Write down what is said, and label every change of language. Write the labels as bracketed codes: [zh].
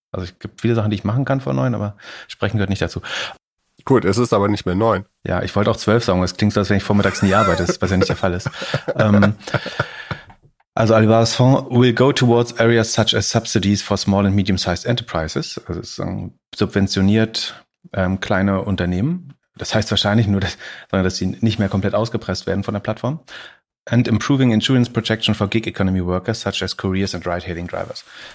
[de] Also es gibt viele Sachen, die ich machen kann vor neun, aber sprechen gehört nicht dazu. Gut, es ist aber nicht mehr neun. Ja, ich wollte auch zwölf sagen, es klingt so, als wenn ich vormittags nie arbeite, was ja nicht der Fall ist. [en] Also Alibaba's Fonds will go towards areas such as subsidies for small and medium-sized enterprises. [de] Also es subventioniert kleine Unternehmen. Das heißt wahrscheinlich nur, dass sie nicht mehr komplett ausgepresst werden von der Plattform. [en] And improving insurance protection for gig economy workers such as couriers and ride-hailing drivers.